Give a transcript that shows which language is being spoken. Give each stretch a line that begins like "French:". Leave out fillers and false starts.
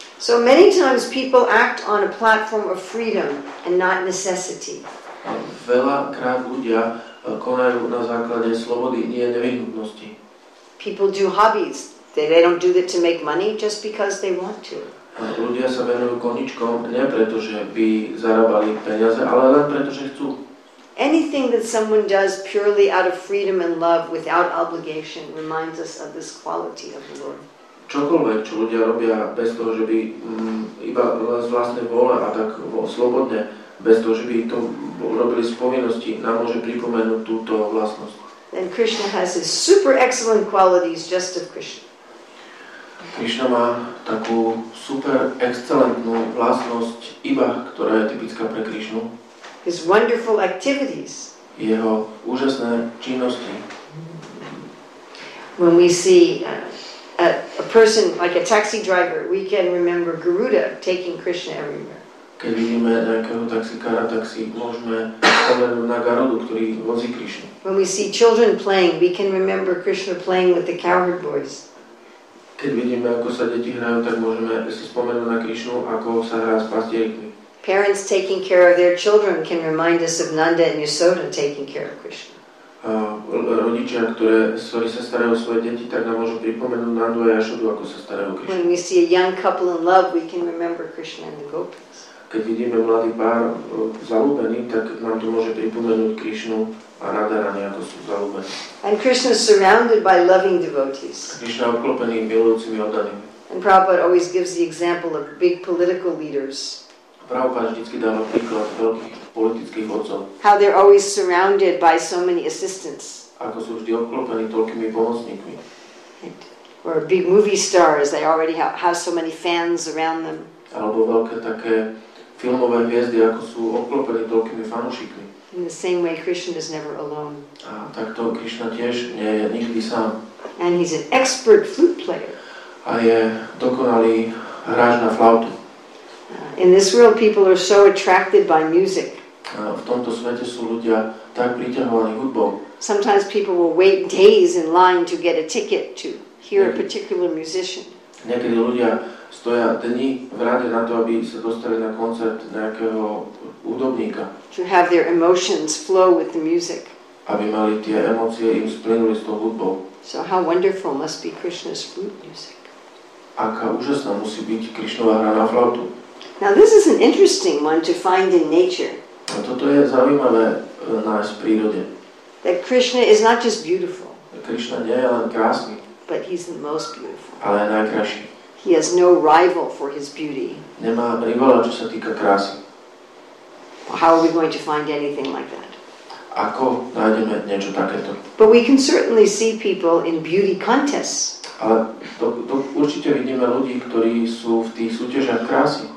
English: So many times people act on a platform of freedom and not necessity.
Slovak: Veľakrát ľudia konajú na základe slobody, nie nevyhnutnosti.
English: People do hobbies. They don't do that to make money, just because they want to.
Slovak: Ľudia sa venujú koničkom, nie preto, že by zarábali peniaze, ale len preto, že chcú.
English: Anything that someone does purely out of freedom and love without obligation reminds us of this quality of the Lord.
Slovak: Čokoľvek, čo ľudia robia bez toho, že by iba z vlastnej vôle a tak slobodne, bez toho, že by to robili z povinnosti, nám môže pripomenúť túto vlastnosť.
English: And Krishna has his super excellent qualities just of Krishna.
Slovak: Krishna má takú super excelentnú vlastnosť iba, ktorá je typická pre Krishnu.
English: His wonderful activities.
Slovak: Jeho úžasné činnosti.
English: When we see a person like a taxi driver, we can remember Garuda taking Krishna everywhere.
Slovak: Keď vidíme nejakého taxikára, tak si môžeme spomenúť na Garudu, ktorý vozí Krishnu.
English: When we see children playing, we can remember Krishna playing with the cowherd boys.
Slovak: Keď vidíme, ako sa deti hrajú, tak môžeme si spomenúť na Krishnu, ako sa hrá s pastierikmi.
English: Parents taking care of their children can remind us of Nanda and Yasoda taking care of Krishna.
Slovak: Rodičia, ktorí sa starajú o svoje deti, tak nám môžu pripomenúť Nandu a Yasodu, ako sa starajú o Krishnu.
English: When we see a young couple in love, we can remember Krishna and the gopis.
Slovak: keď vidíme mladý pár zalúbený, tak nám to môže pripomenúť Krišnu a Radharani, ako sú zalúbení.
English: And Krishna is surrounded by loving devotees.
Slovak: Krišna obklopený milujúcimi oddanými.
English: And Prabhupada always gives the example of big political leaders.
Slovak: Prabhupada vždycky dáva príklad veľkých politických vodcov.
English: How they're always surrounded by so many assistants.
Slovak: Ako sú vždy obklopení toľkými pomocníkmi.
English: Or big movie stars, they already have so many fans around them.
Slovak: Alebo veľké také filmové hviezdy, ako sú obklopené toľkými fanúšikmi.
English: In the same way, Krishna is never alone.
Slovak: A takto Krishna tiež nie je nikdy sám.
English: And he's an expert flute player.
Slovak: A je dokonalý hráč na flautu.
English: In this world, people are so attracted by music.
Slovak: A v tomto svete sú ľudia tak priťahovaní hudbou.
English: Sometimes people will wait days in line to get a ticket to hear a particular musician.
Slovak: Niekedy ľudia stoja dni v rade na to, aby sa dostali na koncert nejakého hudobníka.
English: To have their emotions flow with the music.
Slovak: Aby mali tie emócie im splynuli s tou hudbou.
English: So how wonderful must be Krishna's flute music.
Slovak: Aká úžasná musí byť Krišnova hra na flautu.
English: Now this is an interesting one to find in nature.
Slovak: A toto je zaujímavé nájsť v prírode.
English: That Krishna is not just beautiful.
Slovak: Krišna nie je len krásny.
English: But he's the most beautiful.
Slovak: Ale je najkrajší.
English: He has no rival for his beauty.
Slovak: Nemá rivala, čo sa týka krásy.
English: How are we going to find anything like that?
Slovak: Ako nájdeme niečo takéto?
English: But we can certainly see people in beauty contests.
Slovak: Ale to určite vidíme ľudí, ktorí sú v tých súťažiach krásy.